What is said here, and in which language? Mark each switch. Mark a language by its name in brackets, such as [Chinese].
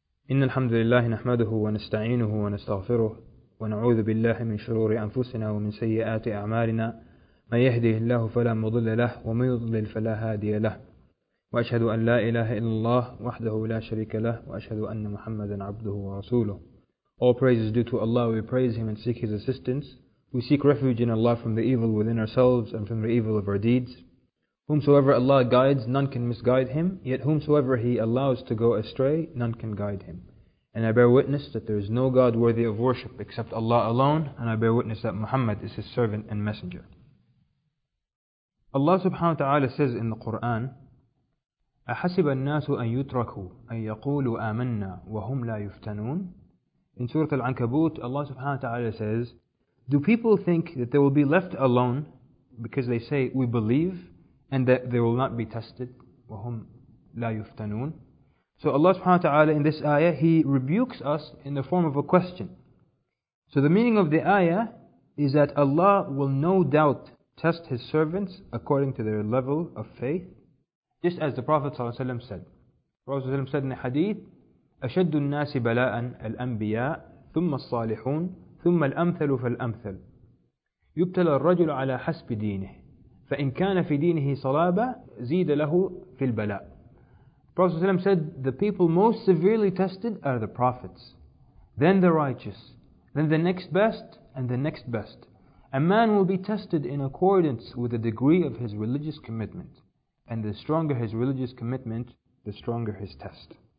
[Arabic] إن الحمد لله نحمده ونستعينه ونستغفره ونعوذ بالله من شرور أنفسنا ومن سيئات أعمالنا من يهده الله فلا مضل له ومن يضلل فلا هادي له وأشهد أن لا إله إلا الله وحده لا شريك له وأشهد أن محمدا عبده ورسوله. [English] All praise is due to Allah. We praise Him and seek His assistance. We seek refuge in Allah from the evil within ourselves and from the evil of our deeds. Whomsoever Allah guides, none can misguide him, yet whomsoever He allows to go astray, none can guide him. And I bear witness that there is no God worthy of worship except Allah alone, and I bear witness that Muhammad is His servant and messenger. [Arabic] Allah subhanahu wa ta'ala [English] says in the Qur'an, [Arabic] أَحَسِبَ النَّاسُ أَن يُتْرَكُوا أَن يَقُولُوا آمَنَّا وَهُمْ لَا يُفْتَنُونَ. [English] In Surah Al-Ankabut, Allah subhanahu wa ta'ala says, do people think that they will be left alone because they say, we believe, and that they will not be tested? [Arabic] وَهُمْ لَا يُفْتَنُونَ. [English] So Allah subhanahu wa ta'ala in this ayah, He rebukes us in the form of a question. So the meaning of the ayah is that Allah will no doubt test His servants according to their level of faith, just as the Prophet sallallahu alayhi wa sallam said. The Prophet [Arabic] sallallahu alayhi wa sallam [English] said in the hadith, [Arabic] أَشَدُّ النَّاسِ بَلَاءً الْأَنْبِيَاءُ ثُمَّ الصَّالِحُونَ ثُمَّ الْأَمْثَلُ فَالْأَمْثَلُ يُبْتَلَى الرَّجُلُ عَلَى حَسْبِ دِينِهِ فَإِنْ كَانَ فِي دِينِهِ صَلَابًا زِيدَ لَهُ فِي الْبَلَاءِ. [English] Prophet ﷺ said, the people most severely tested are the prophets, then the righteous, then the next best, and the next best. A man will be tested in accordance with the degree of his religious commitment. And the stronger his religious commitment, the stronger his test.